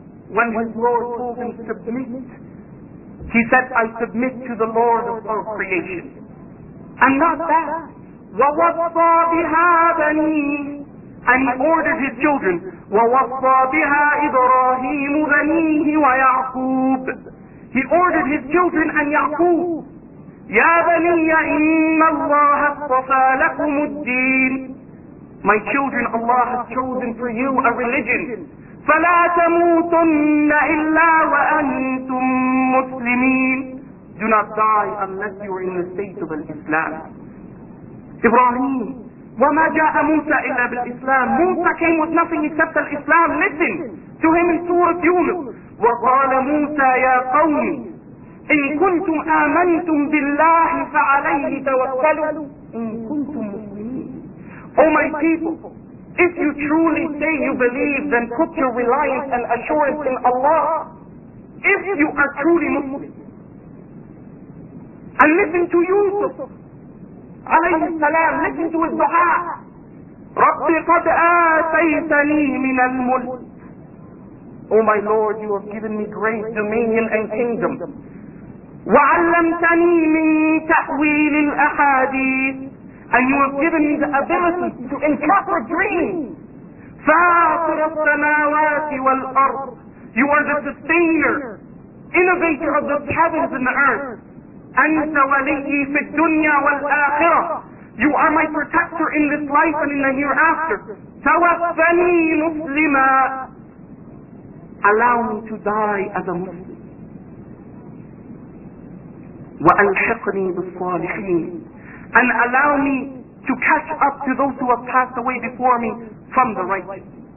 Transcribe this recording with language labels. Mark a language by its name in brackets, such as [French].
[English] When his Lord told him to submit, he said, "I submit to the Lord of all creation." And not that. [Arabic] وَوَصَّى بِهَا بَنِيهِ. [English] And he ordered his children, [Arabic] وَوَصَّى بِهَا إِبْرَاهِيمُ بَنِيهِ وَيَعْقُوبُ. [English] He ordered his children and Yaqub, [Arabic] يا بني إن الله اصطفى لكم الدين. [English] My children, Allah has chosen for you a religion. [Arabic] فلا تموتن إلا وأنتم مسلمين. [English] Do not die unless you are in the state of Islam. [Arabic] Ibrahim, وما جاء موسى إلا بالإسلام. [English] Musa came with nothing except Islam. Listen to him in Surah Yunus. [Arabic] وقال موسى يا قوم إن كنتم آمنتم بالله فعليه توكلوا إن كنتم مؤمنين. [English] Oh my people, if you truly say you believe, then put your reliance and assurance in Allah. If you are truly Muslim. And listen to Yusuf عليه السلام. Listen to his دعاء. [Arabic] رب قد آتيتني من الملك. [English] Oh my Lord, you have given me great dominion and kingdom. [Arabic] وعلمتني من تأويل الأحاديث. [English] And you have given me the ability to interpret dreams. [Arabic] فاطر السماوات والأرض. [English] You are the sustainer, innovator of the heavens and the earth. [Arabic] أنت وليي في الدنيا والآخرة. [English] You are my protector in this life and in the hereafter. [Arabic] توفني مسلما. [English] Allow me to die as a Muslim. [Arabic] وَأَلْحِقْنِي بِالصَّالِحِينَ. [English] And allow me to catch up to those who have passed away before me from the righteous.